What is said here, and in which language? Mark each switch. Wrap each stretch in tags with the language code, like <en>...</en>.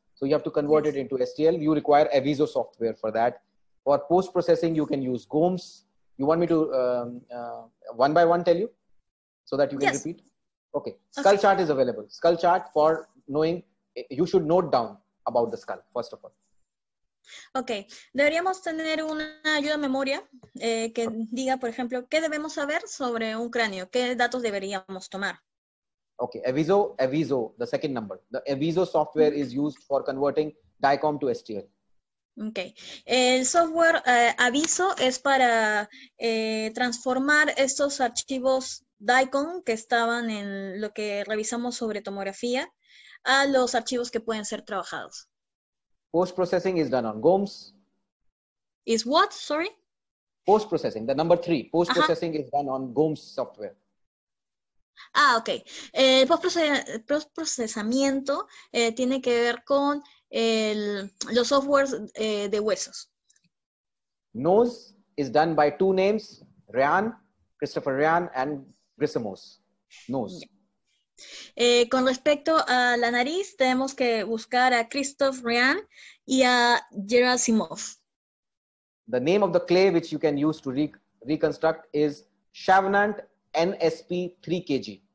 <en>So you have to convert it into STL. You require Aviso software for that. For post-processing, you can use GOMS. You want me to one by one tell you so that you can repeat? Okay. Skull chart is available. Skull chart for knowing, you should note down about the skull, first of all. Okay.</en> <es>Deberíamos tener una ayuda a memoria que diga, por ejemplo, ¿qué debemos saber sobre un cráneo? ¿Qué datos deberíamos tomar?</es> <en>Okay, Aviso, the second number. The Aviso software is used for converting DICOM to STL.</en> <es>Okay, el software Aviso es para transformar estos archivos DICOM, que estaban en lo que revisamos sobre tomografía, a los archivos que pueden ser trabajados.</es> <en>Post-processing is done on GOMS. Is what? Sorry? Post-processing, the number three. Post-processing is done on GOMS software. Ah, ok.</en> <es>Post-procesamiento tiene que ver con los softwares de huesos.</es> <en>NOSE is done by two names, Ryan, Christopher Ryan, and Grissimos. NOSE. Yeah.</en> <es>Con respecto a la nariz, tenemos que buscar a Christoph Ryan y a Gerasimov.</es> <en>The name of the clay which you can use to reconstruct is Chavenant NSP 3kg.</en>